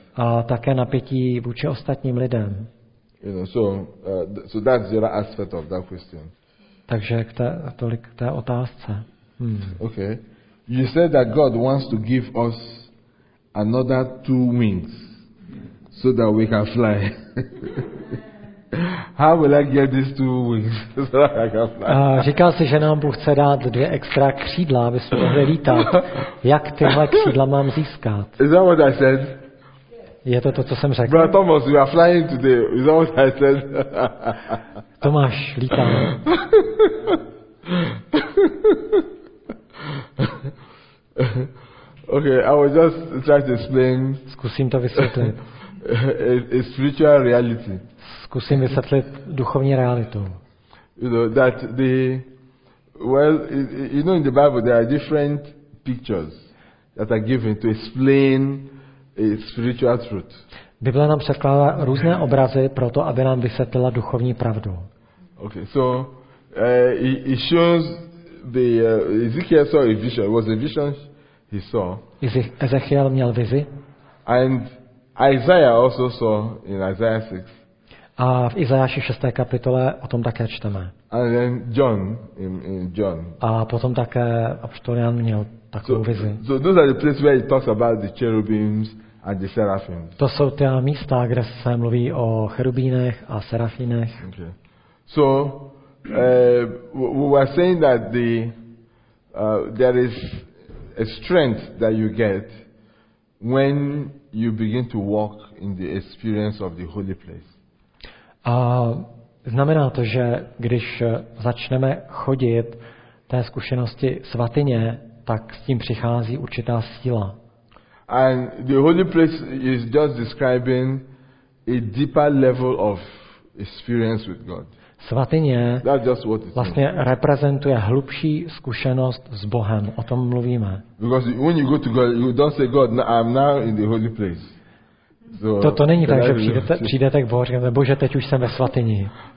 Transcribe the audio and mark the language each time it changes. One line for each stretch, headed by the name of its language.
Czech: A také napětí vůči ostatním lidem.
English: You know, so that's your aspect of that question.
Czech: Takže tolik k té otázce.
English: Okay. You said that God wants to give us another two wings so that we can fly. How will I get these two wings so that I can fly?
Czech: Říkal jsi, že nám Bůh chce dát dvě extra křídla, aby jsme mohli lítat. Jak tyhle křídla mám získat?
English: Is that what I said?
Czech: Je to, co jsem řekl.
English: Brother Thomas, you are flying today. Is that what I said?
Czech: Tomáš, lítám.
English: Okay, I will just try to explain.
Czech: Zkusím to vysvětlit.
English: A spiritual reality.
Czech: Zkusím vysvětlit duchovní realitu.
English: You know, that the Well, you know, in the Bible there are different pictures that are given to explain a spiritual truth.
Czech: Bible nám předkládá různé obrazy proto, aby nám vysvětlila duchovní pravdu.
English: Okay, so it shows the Ezekiel saw a vision. It was a vision he saw.
Czech: Ezechiel měl vizi.
English: And Isaiah also saw in Isaiah 6.
Czech: A v Izajáši 6. kapitole o tom také čteme.
English: And then John, in John.
Czech: A potom také apoštol Jan měl takovou vizi.
English: So those are the places where he talks about the cherubims and the seraphims.
Czech: To jsou ta místa, kde se mluví o cherubínech a serafínech.
English: Okay. So we were saying that the there is a strength that you get when you begin to walk in the experience of the holy place.
Czech: A znamená to, že když začneme chodit té zkušenosti svatyně, tak s tím přichází určitá síla.
English: And the holy place is just describing a deeper level of experience with God.
Czech: Svatyně vlastně reprezentuje hlubší zkušenost s Bohem. O tom mluvíme.
English: Because when you go to God, you don't say, God, I'm now in the holy place.
Czech: So, to není tak, že přijdete k Bohu a říkáte, Bože, teď už jsem ve svatyni.